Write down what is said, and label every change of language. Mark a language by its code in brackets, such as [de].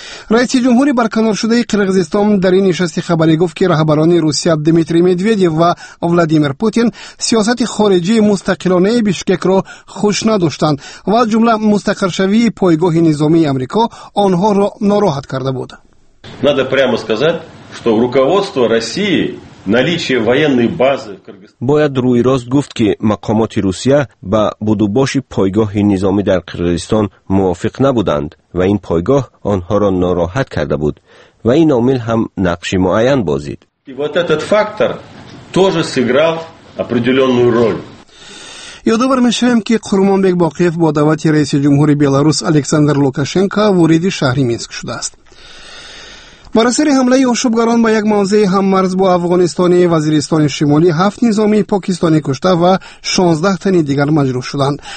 [fa] رئیس جمهوری برکنار شده قرغیزستان در این نشست خبری گفت که رهبران روسیه دمیتری مدودیف و ولادیمیر پوتین سیاست خارجی مستقلانه بیشکک را خوش نداشتند و از جمله مستقر شوی پایگاه نظامی آمریکا آنها را ناراحت کرده بود. [ru] Надо прямо сказать, что руководство России, наличие военной базы Кыргызстан. [tg] Бояд руи рост гуфт ки мақомоти Русия ба будубоши пойгоҳи низоми дар Кыргызстон мувофиқ набуданд ва ин пойгоҳ онҳоро нороҳат карда буд ва ин омил ҳам нақши муайян бозид. [ru] И вот этот фактор тоже сыграл определённую роль. [fa] یادآور میشویم که قربانبیک باقیف با دعوت رئیس جمهوری بلاروس الکساندر لوکاشنکا ورودی شهر مینسک شده است. بر اثر حمله آشوبگران با یک موضع هم مرز با افغانستان، وزیرستان شمالی 7 نظامی پاکستانی کشته و 16 تن دیگر مجروح شدند.